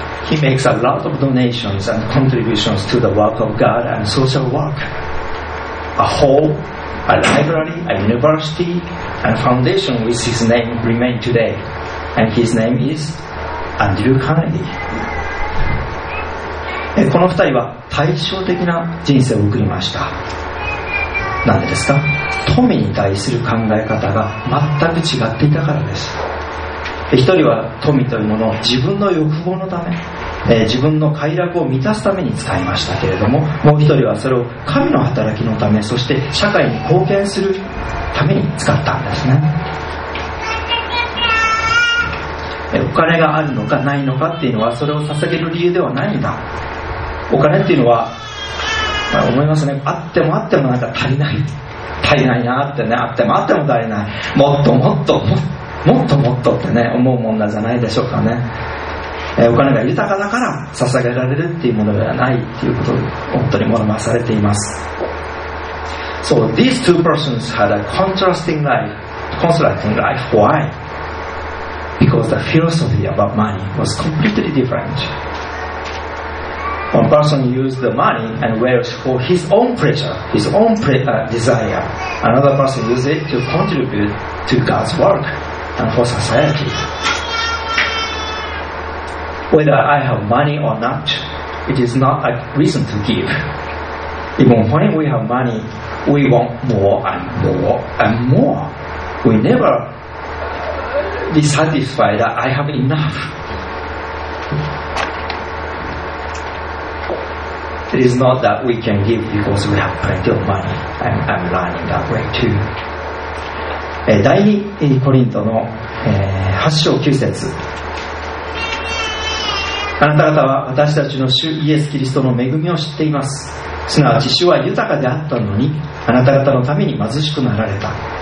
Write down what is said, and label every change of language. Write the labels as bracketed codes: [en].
[en] He makes a lot of donations and contributions to the work of God and social work. A whole a library, a university, and foundation with his name remain today. And his name is Andrew Carnegie. [ja] この二人は対照的な人生を送りました。なんでですか？富に対する考え方が全く違っていたからです。一人は富というものを自分の欲望のため、自分の快楽を満たすために使いましたけれども、もう一人はそれを神の働きのため、そして社会に貢献するために使ったんですね。お金があるのかないのかっていうのはそれを捧げる理由ではないんだ。お金っていうのは、まあ、思いますね。あってもあってもなんか足りない。足りないなってね。あってもあっても足りない。もっともっともっと。もっともっとってね思うもんなじゃないでしょうかね。お金が豊かだから捧げられるっていうものではないっていうことを本当に学ばされています。 [en] So these two persons had a contrasting life. Why? Because the philosophy about money was completely different. One person used the money and wealth for his own pleasure, his own desire. Another person used it to contribute to God's workand for society. Whether I have money or not, it is not a reason to give. Even when we have money, we want more and more and more. We never be satisfied that I have enough. It is not that we can give because we have plenty of money. I'm learning that way too. [ja] 第2コリントの8章9節、あなた方は私たちの主イエス・キリストの恵みを知っています。すなわち主は豊かであったのにあなた方のために貧しくなられた。